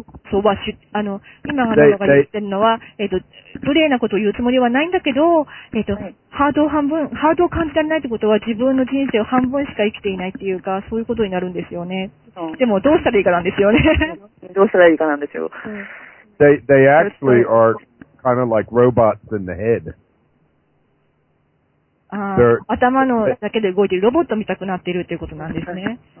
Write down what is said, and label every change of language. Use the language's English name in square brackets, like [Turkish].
[Japanese] そう、わし、あの、今、花岡が言ってるのは、無礼なことを言うつもりはないんだけど、ハードを半分、ハードを感じられないってことは、自分の人生を半分しか生きていないっていうか、そういうことになるんですよね。でも、どうしたらいいかなんですよね。どうしたらいいかなんですよ。 [English] They actually are kind of like robots in the head. [Japanese] あ、頭のだけで動いてロボットみたくなっているっていうことなんですね。